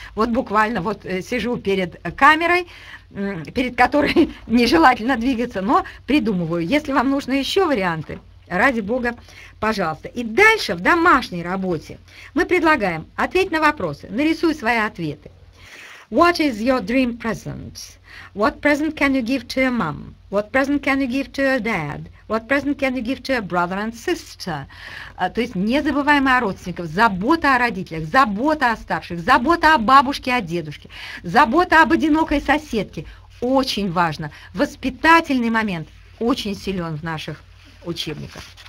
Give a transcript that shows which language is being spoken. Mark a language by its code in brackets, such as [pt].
[ru] Вот буквально вот сижу перед камерой, перед которой нежелательно двигаться, но придумываю. Если вам нужны еще варианты, ради бога, пожалуйста. И дальше в домашней работе мы предлагаем ответить на вопросы, нарисую свои ответы. [en] What is your dream present? What present can you give to your mom? What present can you give to your dad? What present can you give to your brother and sister? [ru] То есть не забываем о родственниках, забота о родителях, забота о старших, забота о бабушке, о дедушке, забота об одинокой соседке. Очень важно. Воспитательный момент очень силен в наших учебниках.